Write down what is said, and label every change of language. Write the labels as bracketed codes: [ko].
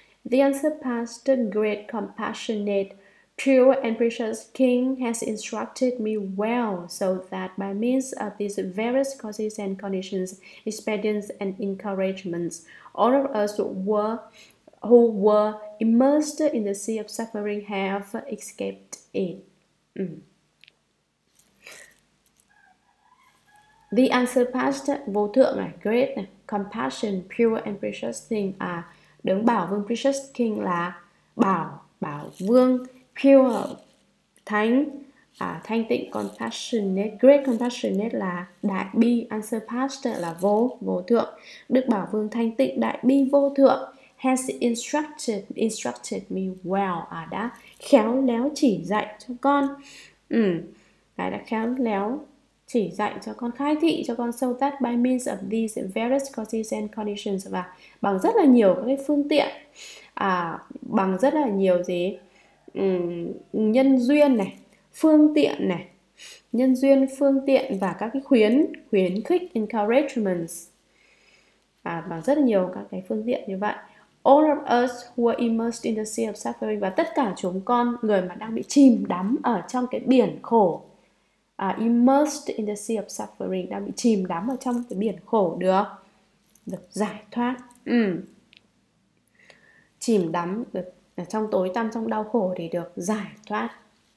[en] the unsurpassed, great, compassionate, true and precious King has instructed me well, so that by means of these various causes and conditions, expedients and encouragements, all of us who were immersed in the sea of suffering have escaped it. The unsurpassed, [vi] vô thượng này, [en] great [vi] này, [en] compassion, pure and precious thing, [vi] đấng bảo vương, [en] precious King [vi] là bảo vương. [en] Pure, [vi] thánh, thanh tịnh, [en] compassionate, great compassionate [vi] là đại bi, [en] unsurpassed [vi] là vô thượng. Đức Bảo Vương thanh tịnh, đại bi, vô thượng, [en] has instructed me well, [vi] đã khéo léo chỉ dạy cho con. Ngài đã khéo léo chỉ dạy cho con, khai thị cho con, [en] so that by means of these various causes and conditions, [vi] và bằng rất là nhiều các cái phương tiện, bằng rất là nhiều gì? Nhân duyên này, phương tiện này, nhân duyên, phương tiện và các cái khuyến khích, encouragements, bằng rất nhiều các cái phương tiện như vậy. [en] All of us who are immersed in the sea of suffering, [vi] và tất cả chúng con, người mà đang bị chìm đắm ở trong cái biển khổ, [en] immersed in the sea of suffering, [vi] đang bị chìm đắm ở trong cái biển khổ, được giải thoát. Chìm đắm được trong tối tăm, trong đau khổ thì được giải thoát.